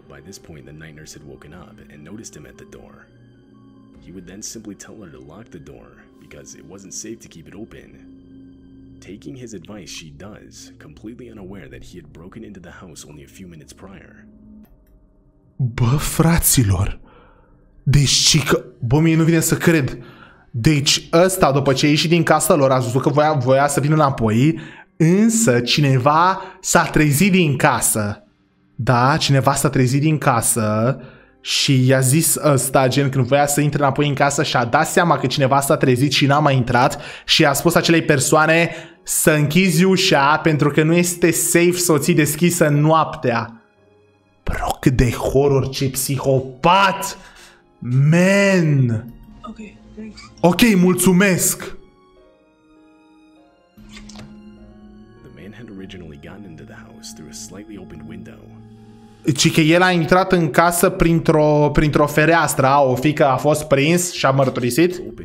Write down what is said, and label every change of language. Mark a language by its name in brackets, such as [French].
[English] By this point the night nurse had woken up and noticed him at the door. He would then simply tell her to lock the door because it wasn't safe to keep it open. Taking his advice, she does, completely unaware that he had broken into the house only a few minutes prior. [Romanian] Bă, fraților. Deci, bă, mie nu vine să cred. Deci, ăsta, după ce a ieșit din casa lor, a zis că voia să vină înapoi, însă cineva s-a trezit din casă. Da, cineva s-a trezit din casă și i-a zis ăsta, gen, când voia să intre înapoi în casă și a dat seama că cineva s-a trezit și n-a mai intrat și a spus acelei persoane să închizi ușa pentru că nu este safe să o ții deschisă noaptea. Bro, cât de horror, ce psihopat! Man. [English] Okay, thanks. [Romanian] Ok, mulțumesc. [English] The man had originally gotten into the house through a slightly opened window. [Romanian] Ci că el a intrat în casă printr-o fereastră, o fiică a fost prins și a mărturisit.